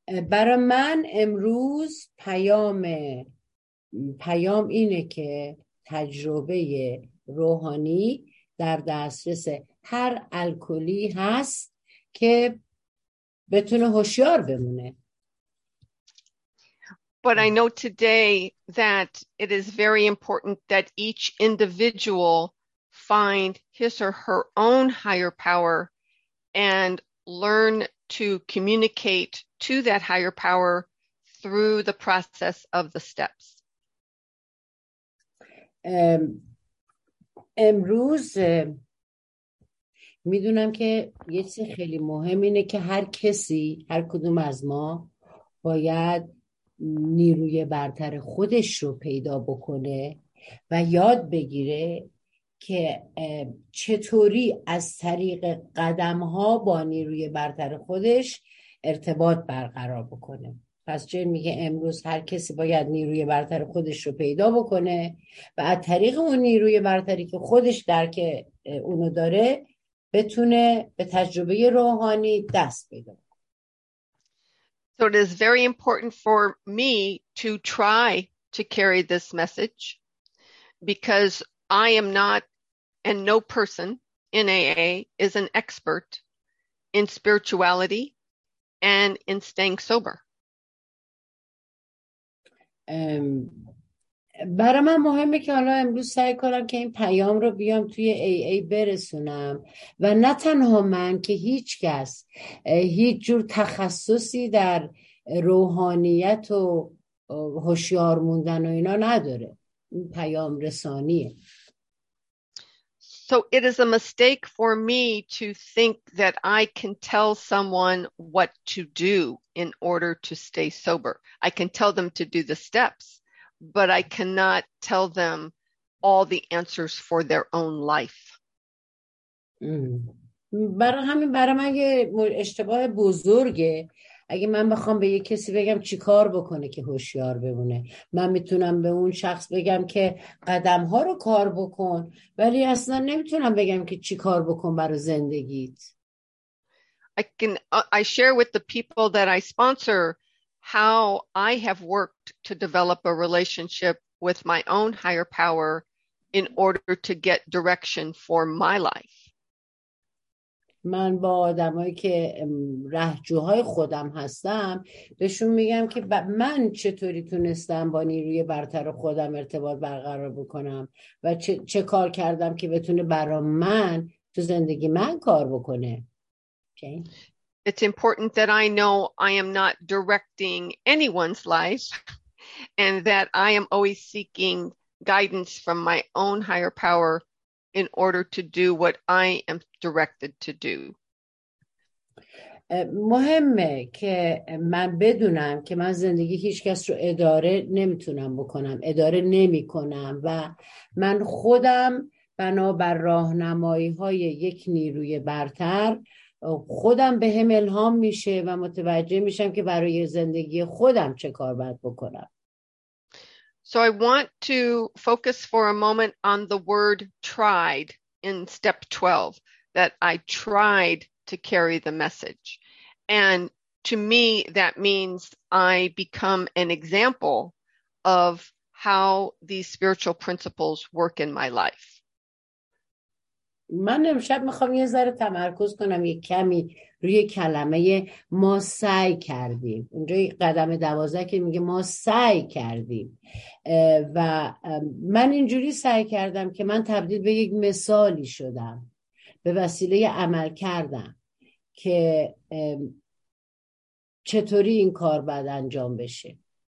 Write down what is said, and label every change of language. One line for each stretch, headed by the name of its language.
Persian: برای من امروز پیام اینه که تجربه روحانی در دسترس هر الکلی هست که بتونه هوشیار بمونه.
English: But I know today that it is very important that each individual find his or her own higher power and learn to communicate to that higher power through the process of the steps.
Persian: امروز میدونم که یه چیز خیلی مهم اینه که هر کسی، هر کدوم از ما باید نیروی برتر خودش رو پیدا بکنه و یاد بگیره که چطوری از طریق قدم‌ها با نیروی برتر خودش ارتباط برقرار بکنه. پس جن میگه امروز هر کسی باید نیروی برتر خودش رو پیدا بکنه و از طریق اون نیروی برتری که خودش درک اونو داره بتونه به تجربه روحانی دست پیدا بکنه.
English: So it is very important for me to try to carry this message because I am not, and no person in AA is an expert in spirituality and in staying sober.
Persian: برای من مهمه که حالا امروز سعی کنم که این پیام رو بیام توی AA برسونم و نه تنها من، که هیچ کس هیچ جور تخصصی در روحانیت و هوشیار موندن و اینا نداره. این پیام رسانیه.
English: So it is a mistake for me to think that I can tell someone what to do in order to stay sober. I can tell them to do the steps, but I cannot tell them all the answers for their own life.
Persian: برای همین برای من یه اشتباه بزرگه اگه من بخوام به یه کسی بگم چی کار بکنه که هوشیار بمونه. من میتونم به اون شخص بگم که قدم‌ها رو کار بکن، ولی اصلا نمیتونم بگم که چی کار بکن برای زندگیت.
English: I share with the people that I sponsor how I have worked to develop a relationship with my own higher power in order to get direction for my life.
Persian: من با آدمایی که رهجوهای خودم هستم بهشون میگم که من چطوری تونستم با نیروی برتر خودم ارتباط برقرار بکنم و چه کار کردم که بتونه برای من تو زندگی من کار بکنه.
English: Okay. It's important that I know I am not directing anyone's life and that I am always seeking guidance from my own higher power in order to do what I am directed to do.
Persian: مهمه که من بدونم که من زندگی هیچ کس رو اداره نمیتونم بکنم، اداره نمی کنم و من خودم بنابر راهنمایی های یک نیروی برتر خودم به هم الهام میشه و متوجه میشم که برای زندگی خودم چه کار باید بکنم.
English: So I want to focus for a moment on the word tried in step 12, that I tried to carry the message. And to me, that means I become an example of how these spiritual principles work in my life.
Persian: من امشب میخوام یه ذره تمرکز کنم یه کمی روی کلمه ما سعی کردیم. اونجا قدم 12 که میگه ما سعی کردیم و من اینجوری سعی کردم که من تبدیل به یک مثالی شدم به وسیله عمل کردم که چطوری این کار بعد انجام بشه.